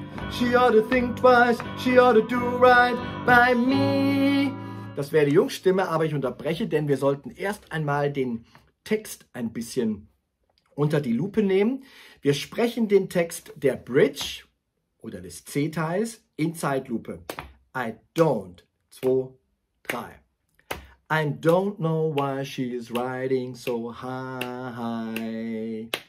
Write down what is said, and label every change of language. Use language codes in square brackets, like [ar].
[en] She ought to think twice, she ought to do right by me. [de] Das wäre die Jungsstimme, aber ich unterbreche, denn wir sollten erst einmal den Text ein bisschen unter die Lupe nehmen. Wir sprechen den Text der Bridge oder des C-Teils in Zeitlupe. [en] I don't. 2, 3. I don't know why she is riding so high.